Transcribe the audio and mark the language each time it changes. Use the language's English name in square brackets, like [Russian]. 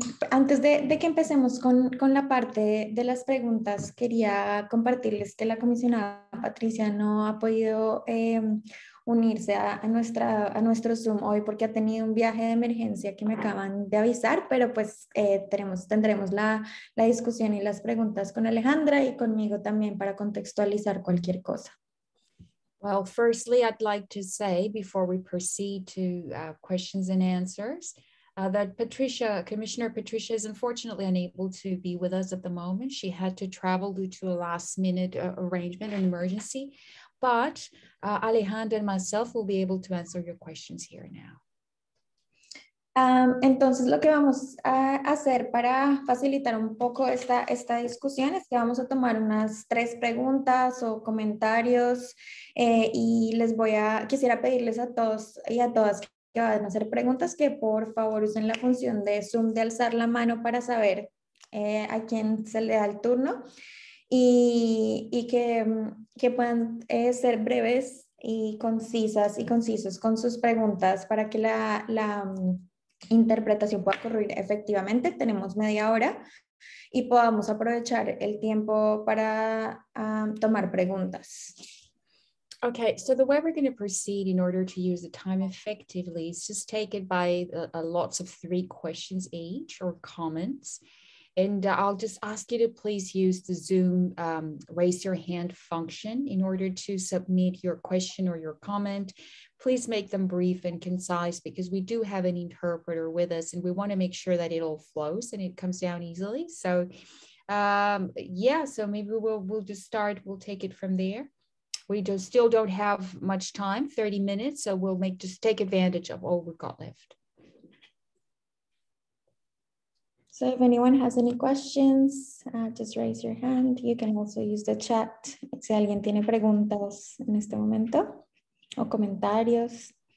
[Spanish] Antes de que empecemos con la parte de las preguntas, quería compartirles que la comisionada Patricia no ha podido unirse a nuestro Zoom hoy porque ha tenido un viaje de emergencia que me acaban de avisar, pero pues tendremos la discusión y las preguntas con Alejandra y conmigo también para contextualizar cualquier cosa. [English] Well, firstly, I'd like to say before we proceed to questions and answers, that Commissioner Patricia is unfortunately unable to be with us at the moment. She had to travel due to a last minute arrangement, an emergency, but Alejandra and myself will be able to answer your questions here now. [Spanish] Entonces lo que vamos a hacer para facilitar un poco esta discusión es que vamos a tomar unas tres preguntas o comentarios y quisiera pedirles a todos y a todas que van a hacer preguntas que por favor usen la función de Zoom de alzar la mano para saber a quién se le da el turno y que puedan ser breves y concisas y concisos con sus preguntas para que la interpretación pueda ocurrir efectivamente. Tenemos media hora y podamos aprovechar el tiempo para tomar preguntas. [English] Okay, so the way we're going to proceed in order to use the time effectively is just take it by lots of three questions each or comments. And I'll just ask you to please use the Zoom raise your hand function in order to submit your question or your comment. Please make them brief and concise because we do have an interpreter with us and we want to make sure that it all flows and it comes down easily. So so maybe we'll just start, we'll take it from there. We still don't have much time, 30 minutes, so we'll take advantage of all we've got left. So if anyone has any questions, just raise your hand. You can also use the chat. [Spanish] Si alguien tiene preguntas en este momento o comentarios.